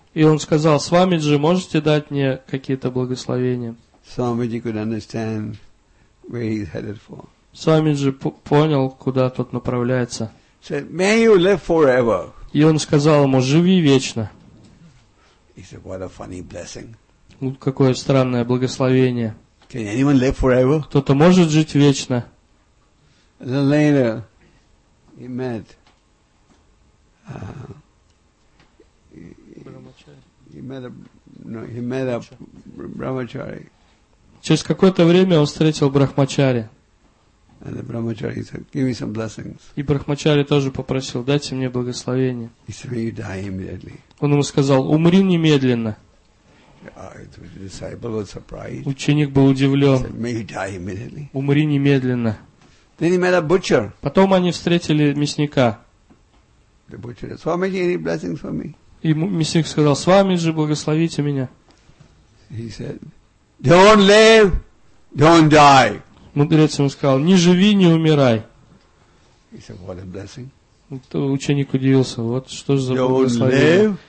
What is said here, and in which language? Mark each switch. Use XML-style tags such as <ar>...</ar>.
<ru>И он сказал, Свамиджи, можете дать мне какие-то благословения?</ru> <en>Swamiji could understand where he's headed for.</en> <ru>Свамиджи понял, куда тот направляется.</ru> <en>Said, "May you live forever."</en> <ru>И он сказал ему, живи вечно.</ru> <en>He said, "What a funny blessing."</en> <ru>Какое странное благословение.</ru> <en>Can anyone live forever?</en> <ru>Кто-то может жить вечно?</ru> <en>Then later, he met. He met a brahmachari.</en> <ru>Через какое-то время он встретил брахмачари.</ru> <en>And the brahmachari said, "Give me some blessings."</en> <ru>И брахмачари тоже попросил: "Дайте мне благословение."</ru> <en>He said, "You die immediately."</en> <ru>Он ему сказал: "Умри немедленно."</ru> <en>The disciple was surprised.</en> <ru>Ученик был удивлен.</ru> <en>He said, "May you die immediately."</en> <ru>Умри немедленно.</ru> <en>Then he met a butcher.</en> <ru>Потом они встретили мясника.</ru> <en>The butcher said, "Swamiji, any blessings for me?"</en> <ru>И мясник сказал: "Свамиджи, благословите меня."</ru> <en>He said, "Don't live, don't die."</en> <ru>Мудрец ему сказал: "Не живи, не умирай."</ru> <en>He said, "What a blessing."</en> <ru>Ученик удивился: "Вот что же за благословение?</ru>